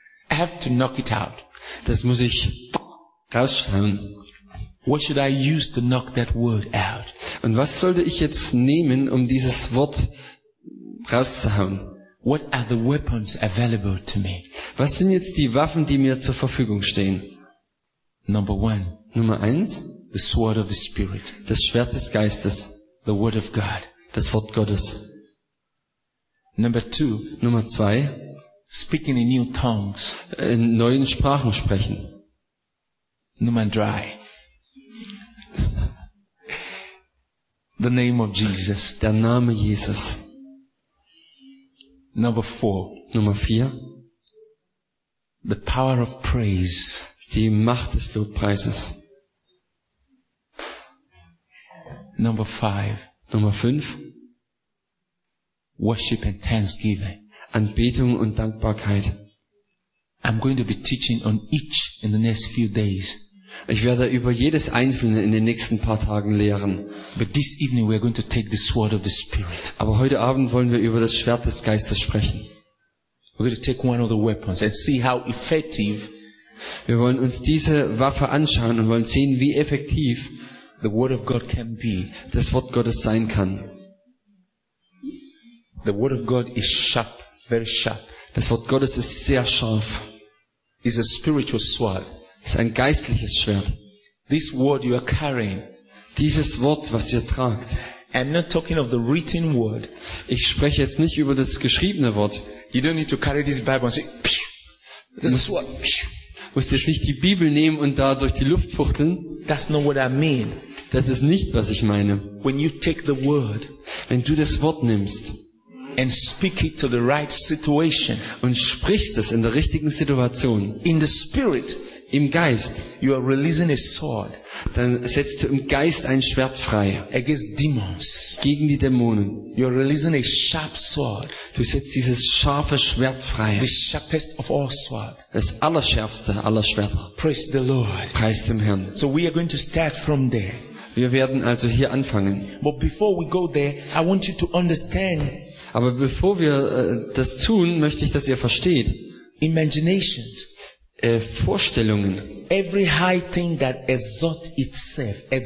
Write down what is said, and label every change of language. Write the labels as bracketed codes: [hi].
[en] I have to knock it out. [de] Das muss ich rausschreiben. [en] What should I use to knock that word out? [de] Und was sollte ich jetzt nehmen, um dieses Wort rauszuhauen? [en] What are the weapons available to me? [de] Was sind jetzt die Waffen, die mir zur Verfügung stehen? [en] Number one. [de] Nummer eins. [en] The sword of the Spirit. [de] Das Schwert des Geistes. [en] The word of God. [de] Das Wort Gottes. [en] Number two. [de] Nummer zwei. [en] Speaking in new tongues. [de] In neuen Sprachen sprechen. [en] Number drei. The name of Jesus. [de] Der Name Jesus. [en] Number four. [de] Nummer vier. [en] The power of praise. [de] Die Macht des Lobpreises. [en] Number five. [de] Nummer fünf. [en] Worship and thanksgiving. [de] Anbetung und Dankbarkeit. [en] I'm going to be teaching on each in the next few days. [de] Ich werde über jedes einzelne in den nächsten paar Tagen lehren. [en] But this evening we are going to take the sword of the Spirit. [de] Aber heute Abend wollen wir über das Schwert des Geistes sprechen. [en] We're going to take one of the weapons and see how effective. [de] Wir wollen uns diese Waffe anschauen und wollen sehen, wie effektiv [en] the word of God can be. [de] Das Wort Gottes sein kann. [en] The word of God is sharp, very sharp. [de] Das Wort Gottes ist sehr scharf. [en] It's a spiritual sword. [de] Ist ein geistliches Schwert. [en] This word you are carrying. [de] Dieses Wort, was ihr tragt. [en] I'm not talking of the written word. [de] Ich spreche jetzt nicht über das geschriebene Wort. [en] You don't need to carry this Bible and say, psh, this is what. [de] Musst jetzt nicht die Bibel nehmen und da durch die Luft fuchteln. [en] That's not what I mean. [de] Das ist nicht, was ich meine. [en] When you take the word. [de] Wenn du das Wort nimmst. [en] And speak it to the right situation. [de] Und sprichst es in der richtigen Situation. [en] In the spirit. [de] Im Geist. [en] You are releasing a sword. [de] Dann setzt du im Geist ein Schwert frei. [en] Against demons. [de] Gegen die Dämonen. [en] You are releasing a sharp sword. [de] Du setzt dieses scharfe Schwert frei. [en] The sharpest of all swords. [de] Das allerschärfste aller Schwerter. [en] Praise the Lord. [de] Preist dem Herrn. [en] So we are going to start from there. [de] Wir werden also hier anfangen. [en] But before we go there, I want you to understand. [de] Aber bevor wir das tun, möchte ich, dass ihr versteht. [en] Imaginations. [de] Vorstellungen. [en] Every high thing that exalts itself.